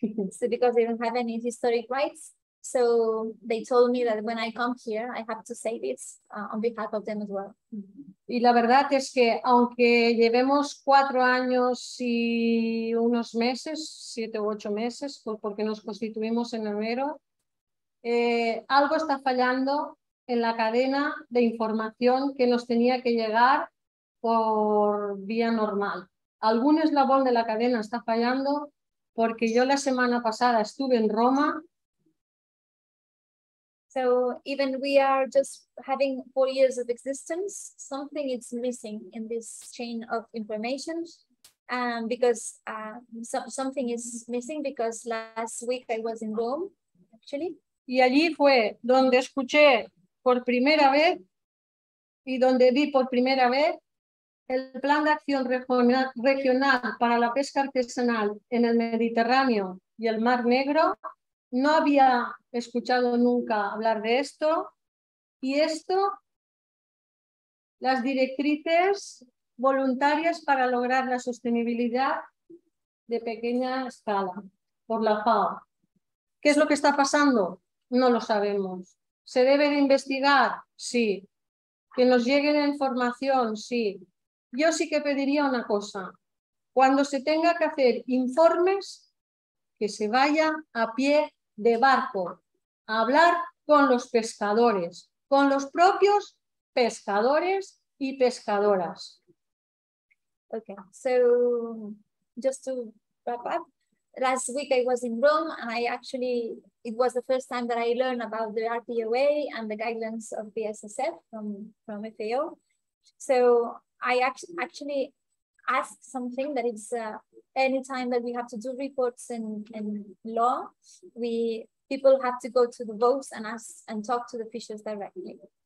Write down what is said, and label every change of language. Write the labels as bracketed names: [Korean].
[English] So because they don't have any historic rights. So they told me that when I come here, I have to say this on behalf of them as well. [Spanish] Y la verdad es que aunque llevemos 4 años y unos meses, 7 u 8 meses, porque nos constituimos en enero, algo está fallando en la cadena de información que nos tenía que llegar por vía normal. Algún eslabón de la cadena está fallando porque yo la semana pasada estuve en Roma. [English] So even we are just having 4 years of existence, something is missing in this chain of information because something is missing because last week I was in Rome, actually. [Spanish] Y allí fue donde escuché por primera vez y donde vi por primera vez el plan de acción regional para la pesca artesanal en el Mediterráneo y el Mar Negro. No había escuchado nunca hablar de esto y esto, las directrices voluntarias para lograr la sostenibilidad de pequeña escala por la FAO. ¿Qué es lo que está pasando? No lo sabemos. ¿Se debe de investigar? Sí. ¿Que nos llegue la información? Sí. Yo sí que pediría una cosa. Cuando se tenga que hacer informes, que se vaya a pie de barco, a hablar con los pescadores, con los propios pescadores y pescadoras. [English] Okay, so just to wrap up, last week I was in Rome and it was the first time that I learned about the RPOA and the guidelines of the SSF from FAO. So I actually asked something that it's anytime that we have to do reports in law, people have to go to the boats and ask and talk to the fishers directly.